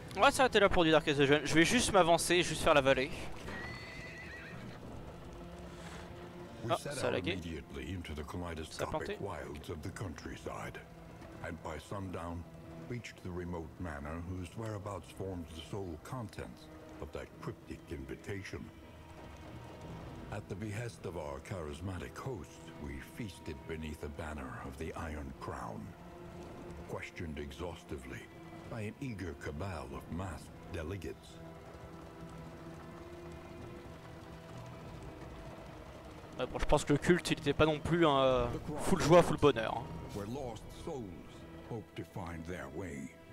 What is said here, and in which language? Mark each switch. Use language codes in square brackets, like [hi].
[fr] On va s'arrêter là pour du Darkest Dungeon. Je vais juste m'avancer, juste faire la vallée. Ah, ça a lagué. [en] Immediately into the kaleidoscopic wilds of the countryside, and by sundown reached the remote manor whose whereabouts formed the sole contents of that cryptic invitation. At the behest of our charismatic host, we feasted beneath the banner of the Iron Crown. Questioned exhaustively by an eager cabal of masked delegates. [fr] Ouais, bon, je pense que le culte il était pas non plus un full joie, full bonheur. [en] Where lost souls hope to find their way.